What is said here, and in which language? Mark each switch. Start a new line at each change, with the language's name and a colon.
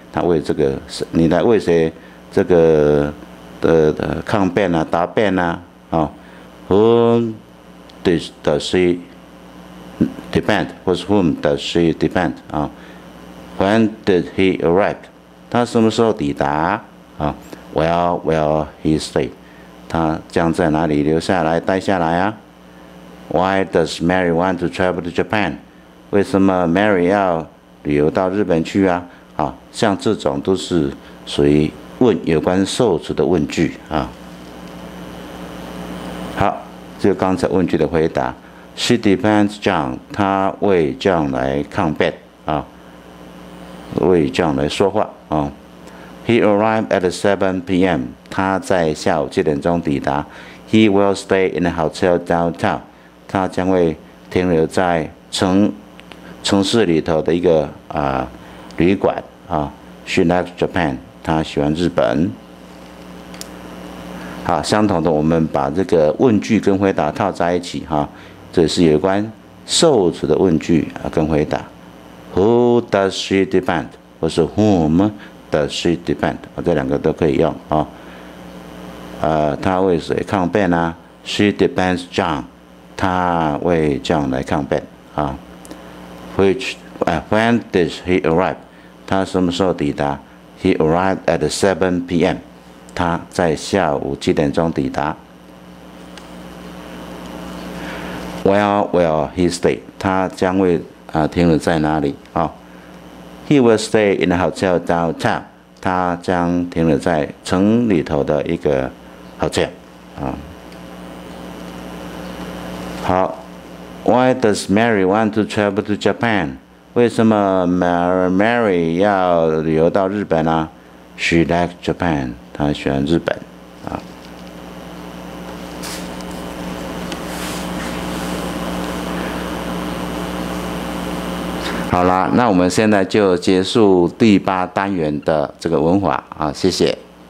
Chinese: 他为这个你来为谁这个的抗辩啊、答辩啊，啊、哦、，
English: Who does she defend？
Chinese: 或是
English: Whom does she defend？ 啊、哦、，When did he arrive？
Chinese: 他什么时候抵达？啊、哦、，
English: Where he stay？
Chinese: 他将在哪里留下来、待下来啊 ？
English: Why does Mary want to travel to Japan？
Chinese: 为什么 Mary 要旅游到日本去啊？啊、哦，像这种都是属于。问有关受持的问句啊，好，这个刚才问句的回答 ，
English: She defends John，
Chinese: 他为 John 来抗辩啊，为 John 来说话啊。
English: He arrived at 7 p.m.
Chinese: 他在下午七点钟抵达。
English: He will stay in a hotel downtown，
Chinese: 他将会停留在城市里头的一个啊、旅馆啊。
English: She likes Japan。
Chinese: 他喜欢日本。好，相同的，我们把这个问句跟回答套在一起哈，这是有关受持的问句跟回答。
English: Who does she defend？或是 Whom does she defend？
Chinese: 这两个都可以用啊。他为谁抗辩呢 ？
English: She defends John。
Chinese: 他为 John 来抗辩啊。
English: When did he arrive？
Chinese: 他什么时候抵达？
English: He arrived at 7 p.m.
Chinese: 他在下午七点钟抵达。
English: Where will he stay?
Chinese: 他将会、停留在哪里、哦、？
English: He will stay in a hotel downtown.
Chinese: 他将停留在城里头的一个 hotel、哦、好 ，
English: Why does Mary want to travel to Japan?
Chinese: 为什么 Mary 要旅游到日本呢、啊、？
English: She likes Japan，
Chinese: 她喜欢日本。啊，好啦，那我们现在就结束第八单元的这个文法啊，谢谢。